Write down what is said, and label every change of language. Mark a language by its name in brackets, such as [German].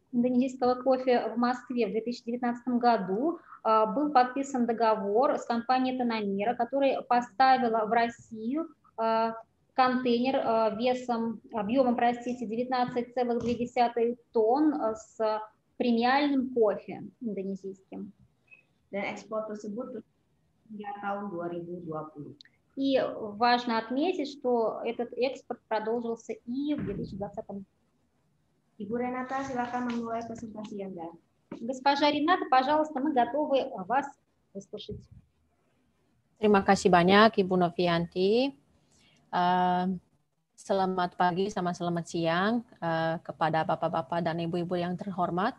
[Russian] индонезийского кофе в Москве в 2019 году был подписан договор с компанией Тономера, которая поставила в Россию контейнер весом, объемом, простите, 19,2 тонн с премиальным кофе индонезийским. [Indonesian] Dan ekspor tersebut hingga tahun 2020. [Russian] И важно отметить, что этот экспорт продолжился и в 2020. [Indonesian] Ibu Renata, silakan memulai presentasi Anda. [Russian] Госпожа Рената, пожалуйста, мы готовы вас выслушать. [Indonesian] Terima kasih banyak, Ibu Novianti. Selamat pagi sama selamat siang kepada bapak-bapak dan ibu-ibu yang terhormat.